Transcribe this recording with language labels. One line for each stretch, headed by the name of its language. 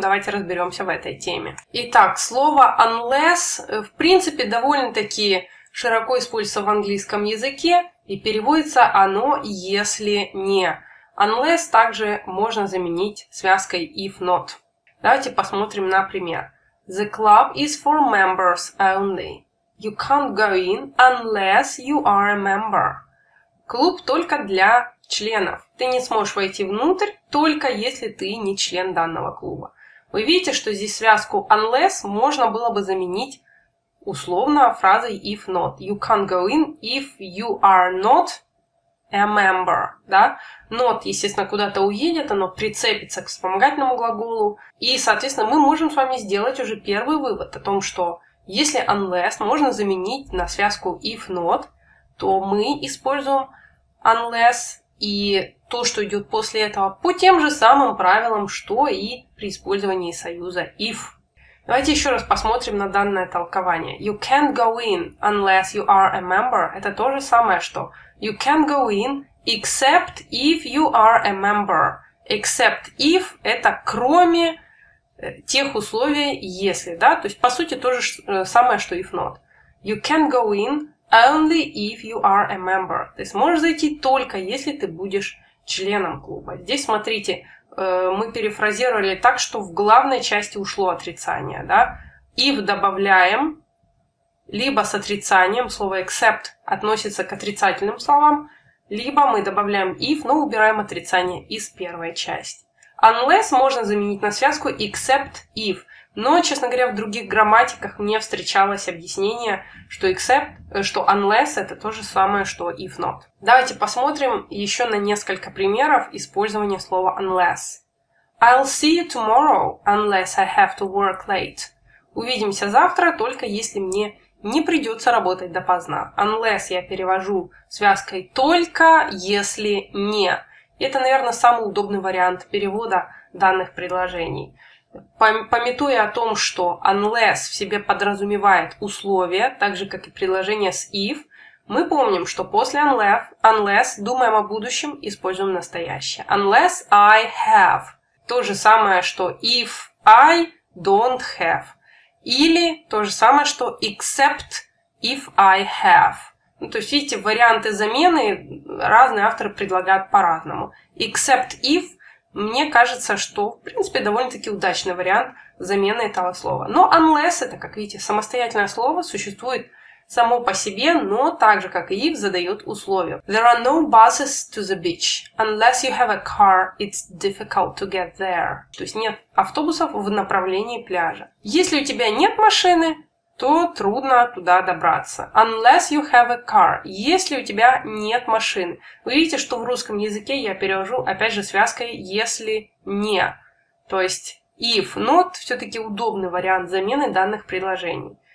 Russian: Давайте разберемся в этой теме. Итак, слово unless в принципе довольно-таки широко используется в английском языке и переводится оно если не. Unless также можно заменить связкой if not. Давайте посмотрим на пример.
English: The club is for members only. You can't go in unless you are a member.
Russian: Клуб только для членов. Ты не сможешь войти внутрь, только если ты не член данного клуба. Вы видите, что здесь связку unless можно было бы заменить условно фразой if not.
English: You can't go in if you are not a member.
Russian: Да? Not, естественно, куда-то уедет, оно прицепится к вспомогательному глаголу. И, соответственно, мы можем с вами сделать уже первый вывод о том, что если unless можно заменить на связку if not, то мы используем unless и то, что идет после этого, по тем же самым правилам, что и при использовании союза if. Давайте еще раз посмотрим на данное толкование.
English: You can't go in unless you are a member.
Russian: Это то же самое, что
English: you can't go in except if you are a member.
Russian: Except if — это кроме тех условий, если, да? То есть, по сути, то же самое, что if not.
English: You can't go in only if you are a member.
Russian: Ты сможешь зайти только, если ты будешь членом клуба. Здесь, смотрите, мы перефразировали так, что в главной части ушло отрицание. Да? If добавляем, либо с отрицанием, слово except относится к отрицательным словам, либо мы добавляем if, но убираем отрицание из первой части. Unless можно заменить на связку except if. Но, честно говоря, в других грамматиках мне встречалось объяснение, что except, что unless — это то же самое, что if not. Давайте посмотрим еще на несколько примеров использования слова unless.
English: I'll see you tomorrow unless I have to work late.
Russian: Увидимся завтра, только если мне не придется работать допоздна. Unless я перевожу связкой только если не. Это, наверное, самый удобный вариант перевода данных предложений. Пометуя о том, что unless в себе подразумевает условия, так же, как и предложение с if, мы помним, что после unless думаем о будущем, используем настоящее.
English: Unless I have.
Russian: То же самое, что
English: if I don't have.
Russian: Или то же самое, что
English: except if I have.
Russian: Ну, то есть, видите, варианты замены разные авторы предлагают по-разному. Except if — мне кажется, что, в принципе, довольно-таки удачный вариант замены этого слова. Но unless — это, как видите, самостоятельное слово, существует само по себе, но так же, как и if, задает условия.
English: There are no buses to the beach. Unless you have a car, it's difficult to get there.
Russian: То есть нет автобусов в направлении пляжа. Если у тебя нет машины, то трудно туда добраться.
English: Unless you have a car.
Russian: Если у тебя нет машины. Вы видите, что в русском языке я перевожу, опять же, связкой «если не». То есть if not все-таки удобный вариант замены данных предложений.